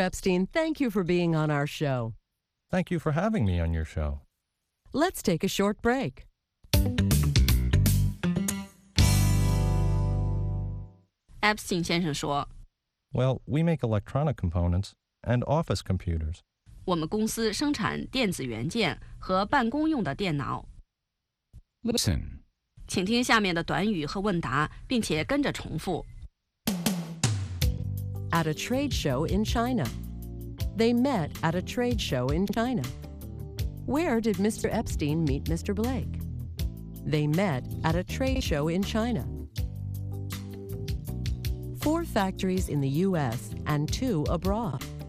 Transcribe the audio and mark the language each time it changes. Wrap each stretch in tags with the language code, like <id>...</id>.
<en>Epstein, thank you for being on our show. Thank you for having me on your show. Let's take a short break.</en> <zh>Epstein 先生说,</zh> <en>Well, we make electronic components and office computers.</en> <zh>我们公司生产电子元件和办公用的电脑。</zh> <en>Listen.</en> <zh>请听下面的短语和问答,并且跟着重复。</zh> <en>At a trade show in China. They met at a trade show in China. Where did Mr. Epstein meet Mr. Blake? They met at a trade show in China. Four factories in the U.S. and two abroad.</en>